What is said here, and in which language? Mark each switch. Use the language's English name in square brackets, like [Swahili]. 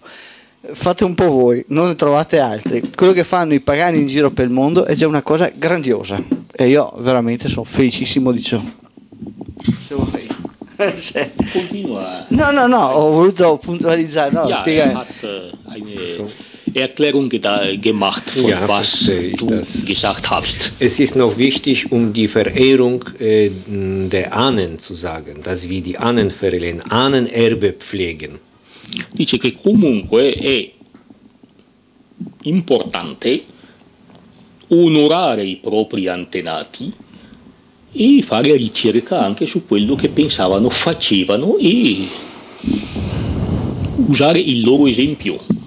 [Italian] Fate un po' voi, non ne trovate altri. Quello che fanno i pagani in giro per il mondo è già una cosa grandiosa. E io veramente sono felicissimo di ciò. Se vuoi. Continua. No, ho voluto puntualizzare. No, spiegare. [German] Die Erklärung gemacht, von ja, was du das. Gesagt hast. Es ist noch wichtig, um die Verehrung der Ahnen zu sagen, dass wir die Ahnen verehren, Ahnenerbe pflegen. [Italian] Dice che comunque è importante onorare i propri antenati e fare ricerca anche su quello che pensavano, facevano e usare il loro esempio.